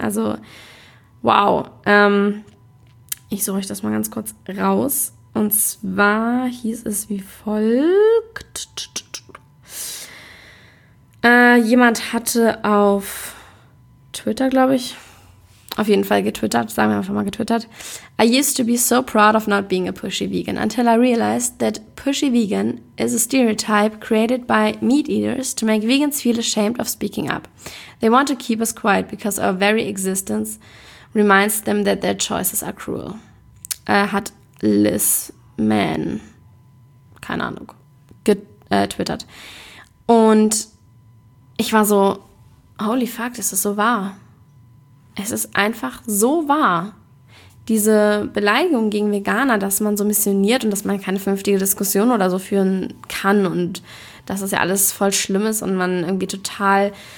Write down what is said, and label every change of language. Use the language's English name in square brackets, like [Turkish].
[German] Also, wow. Ich suche euch das mal ganz kurz raus. Und zwar hieß es wie folgt. Jemand hatte auf Twitter, glaube ich, auf jeden Fall getwittert, sagen wir einfach mal getwittert. [English] I used to be so proud of not being a pushy vegan until I realized that pushy vegan is a stereotype created by meat eaters to make vegans feel ashamed of speaking up. They want to keep us quiet because our very existence reminds them that their choices are cruel. [German] Hat Liz Mann, keine Ahnung, getwittert. Und ich war so, [English] holy fuck, [German] ist das so wahr? Es ist einfach so wahr, diese Beleidigung gegen Veganer, dass man so missioniert und dass man keine vernünftige Diskussion oder so führen kann und dass das ja alles voll schlimm ist und man irgendwie total,